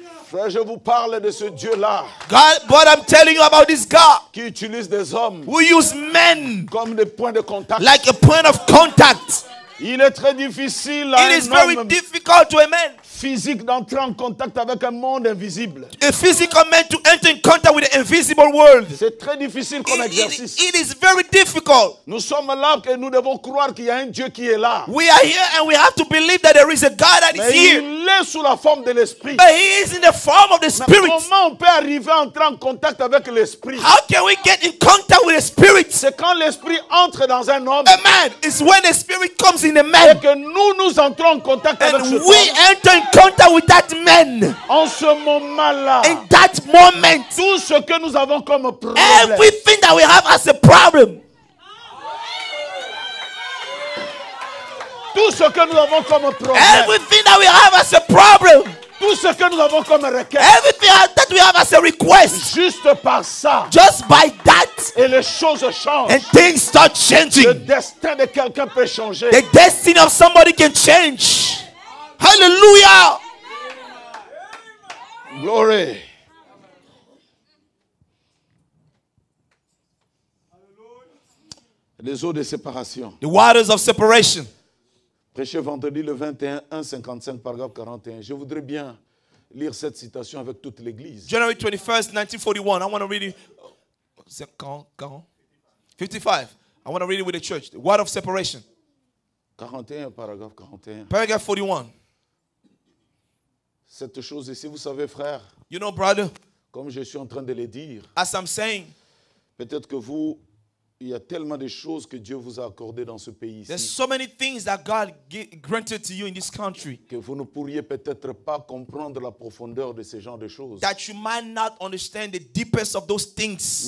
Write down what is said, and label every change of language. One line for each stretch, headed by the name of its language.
French: Frère, je vous parle de ce Dieu-là.
English: God, but I'm telling you about this God.
French: Qui utilise des hommes.
English: Who use men.
French: Comme des points de contact.
English: Like a point of contact.
French: Il est très difficile à
English: it is very difficult to a man.
French: Physique d'entrer en contact avec un monde invisible.
English: A physical man to enter in contact with an invisible world.
French: C'est très difficile comme exercice.
English: It is very difficult.
French: Nous sommes là et nous devons croire qu'il y a un Dieu qui est là.
English: We are here and we have to believe that there is a God that
French: mais
English: is here.
French: Il est sous la forme de l'esprit.
English: But he is in the form of the spirit.
French: Mais comment on peut arriver à entrer en contact avec l'esprit?
English: How can we get in contact with the spirit?
French: C'est quand l'esprit entre dans un homme.
English: A man is when the spirit comes in a man.
French: Et que nous entrons en contact
English: and
French: avec ce homme.
English: And we enter contact with that man.
French: En ce moment-là,
English: in that moment,
French: tout ce que nous avons comme
English: problème, everything that we have as a problem,
French: tout ce que nous avons comme problème,
English: everything that we have as a problem,
French: tout ce que nous avons comme requête,
English: everything that we have as a request,
French: juste par ça,
English: just by that,
French: et les choses changent,
English: and things start changing.
French: Le destin de quelqu'un peut changer.
English: The destiny of somebody can change. Hallelujah! Glory!
French: Les eaux de séparation.
English: The waters of separation.
French: Prêché vendredi le 21, 1:55, paragraphe 41. Je voudrais bien lire cette citation avec toute l'église.
English: January 21st, 1941. I want to read it. 55. I want to read it with the church. The water of separation.
French: 41, paragraphe 41.
English: Paragraph 41.
French: Cette chose ici, vous savez, frère.
English: You know, brother.
French: Comme je suis en train de le dire.
English: As I'm saying.
French: Peut-être que vous, il y a tellement de choses que Dieu vous a accordé dans ce pays.
English: There's so many things that God granted to you in this country.
French: Que vous ne pourriez peut-être pas comprendre la profondeur de ce genre de choses.
English: That you might not understand the deepest of those things.